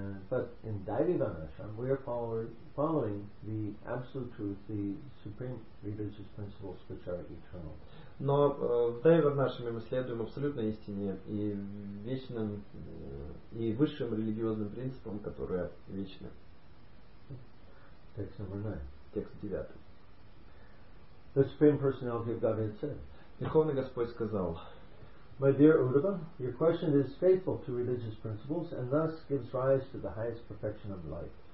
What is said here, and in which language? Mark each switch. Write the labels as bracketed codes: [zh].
[en] But in Daivi Varnashram we are following the absolute truth, the supreme religious principles which are eternal. [ru] Но в Даиве Варнашраме мы следуем абсолютной истине и вечным и высшим религиозным принципам, которые вечны. Текст 9. [en] The Supreme Personality of Godhead said, [ru] Верховный Господь сказал, [en] My dear Uddhava, your question is faithful to religious principles and thus gives rise to the highest perfection of life.